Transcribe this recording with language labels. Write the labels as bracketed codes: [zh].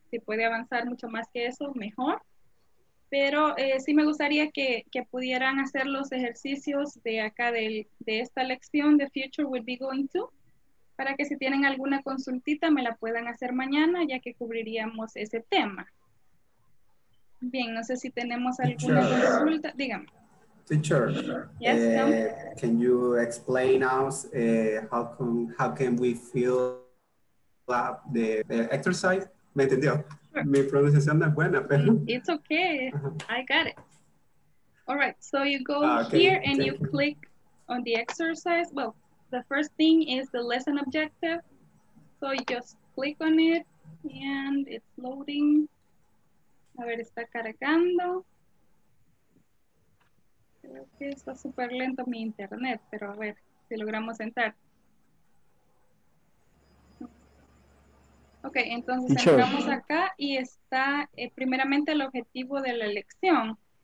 [es] Si puede avanzar mucho más que eso, mejor. Pero sí me gustaría que pudieran hacer los ejercicios de acá, de esta lección, de Future We'll Be Going To, para que si tienen alguna consultita, me la puedan hacer mañana, ya que cubriríamos ese tema. Bien, no sé si tenemos alguna consulta. Dígame. [en] Teacher, yes, can you explain us how can we fill up the exercise? [es] ¿Me entendió? Sure. Mi pronunciación es buena, pero... [en] It's okay. Uh-huh. I got it. All right. So you go here and you click on the exercise. Well, the first thing is the lesson objective. So you just click on it and it's loading. [es] A ver, está cargando. Creo que está súper lento mi internet, pero a ver si logramos entrar. Ok, entonces entramos acá y está primeramente el objetivo de la lección.